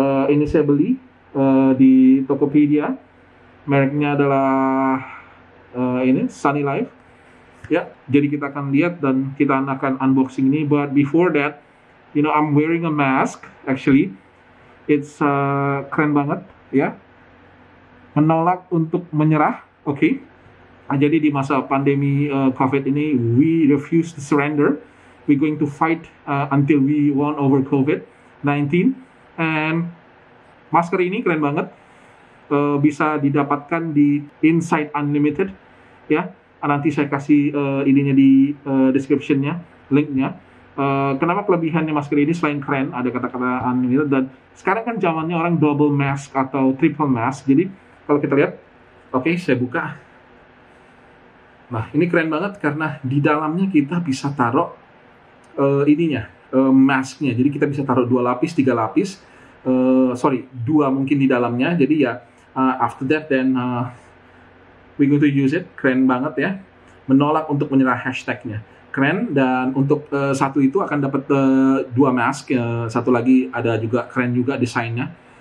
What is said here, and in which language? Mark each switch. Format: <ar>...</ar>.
<id>Ini saya beli di Tokopedia, mereknya adalah Sunny Life. Ya, jadi kita akan lihat dan kita akan unboxing ini.</id> <en>But before that, you know, I'm wearing a mask, actually.</en> <id>It's keren banget, ya. Menolak untuk menyerah, oke. Okay. Nah, jadi di masa pandemi COVID ini,</id> <en>we refuse to surrender. We're going to fight until we won over COVID-19. And</en> <id>masker ini keren banget. Bisa didapatkan di Inside Unlimited, ya. Nanti saya kasih ininya di description-nya, link-nya. Kenapa kelebihannya masker ini selain keren, ada kata-kata unlimited, dan sekarang kan zamannya orang double mask atau triple mask. Jadi, kalau kita lihat, oke, saya buka. Nah, ini keren banget karena di dalamnya kita bisa taruh mask-nya. Jadi, kita bisa taruh dua lapis, tiga lapis. Dua mungkin di dalamnya. Jadi, ya,</id> <en>after that, then... we're going to use it,</en> <id>keren banget ya. Menolak untuk menyerah hashtagnya. Keren, dan untuk satu itu akan dapat dua mask. Satu lagi ada juga, keren juga desainnya.</id>